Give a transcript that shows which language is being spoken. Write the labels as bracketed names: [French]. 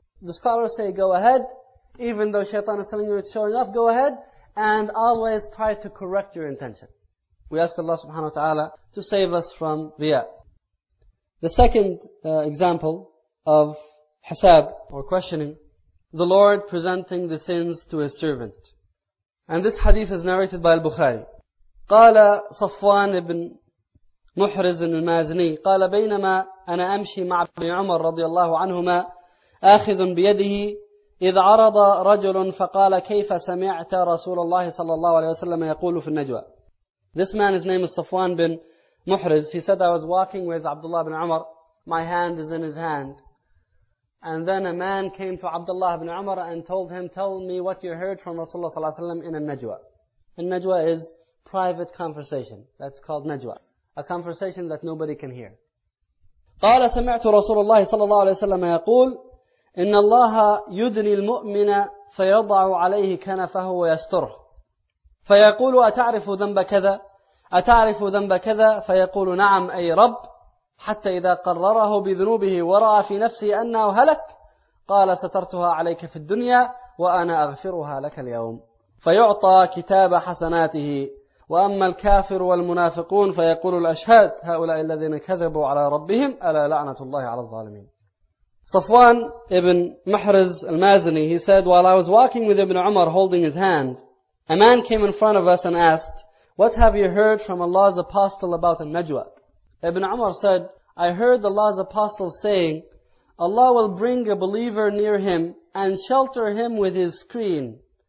[English] The scholars say, go ahead, even though Shaitan is telling you it's showing off, go ahead, and always try to correct your intention. We ask Allah subhanahu wa ta'ala to save us from riya. The second example of hisab, or questioning, the Lord presenting the sins to His servant. And this hadith is narrated by al-Bukhari. [Arabic] قَالَ صَفْوَانِ ابْن محرز المازني قال بينما أنا أمشي مع ابن عمر رضي الله عنهما آخذ بيده إذ عرض رجل فقال كيف سمعت رسول الله صلى الله عليه وسلم يقول في النجوى. [English] This man, his name is Safwan bin Muhriz. He said, I was walking with Abdullah bin Umar. My hand is in his hand. And then a man came to Abdullah bin Umar and told him, tell me what you heard from Rasulullah sallallahu alayhi wa sallam in a najwa. A najwa is private conversation. That's called najwa. A conversation that nobody can hear. [Arabic] قَالَ سَمِعْتُ رَسُولُ اللَّهِ صَلَى اللَّهُ عَلَيْهِ وَسَلَّمَ يَقُولُ إِنَّ اللَّهَ يُدْنِي الْمُؤْمِنَ فَيَضَعُ عَلَيْهِ كَنَفَهُ وَيَسْتُرْهُ فَيَقُولُ أَتَعْرِفُ ذَنْبَ كَذَا أَتَعْرِفُ ذَنْبَ كَذَا فَيَقُولُ نَعَمْ أَيْ رَبْ حتى إذا قرره بذنوبه ورأى في نفسه أنه هلك قال سترتها عليك في الدنيا وأنا أغفرها لك اليوم فيعطى كتاب حسناته وأما الكافر والمنافقون فيقول الأشهاد هؤلاء الذين كذبوا على ربهم ألا لعنة الله على الظالمين. [English] صفوان ابن محرز المازني, he said, while I was walking with Ibn Umar holding his hand, a man came in front of us and asked, what have you heard from Allah's apostle about a najwa? Ibn Umar said, I heard Allah's apostle saying, Allah will bring a believer near him and shelter him with his screen.